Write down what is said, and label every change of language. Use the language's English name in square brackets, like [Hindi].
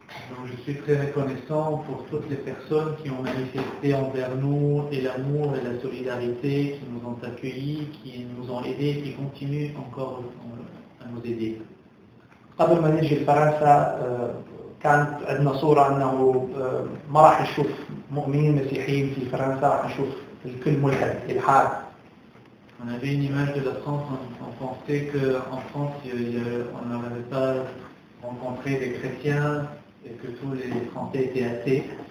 [French] Donc je suis très reconnaissant pour toutes les personnes qui ont manifesté envers nous et l'amour et la solidarité, qui nous ont accueillis, qui nous ont aidés et qui continuent encore à nous aider. [Arabic] قبل ما نجي لفرنسا كانت عندنا صورة انه ما راح نشوف مؤمنين مسيحيين في فرنسا راح نشوف الكل ملحد الحاد. [French] On avait une image de la France, on pensait qu'en France on n'avait pas rencontré des chrétiens. Et que tous les Français étaient athées.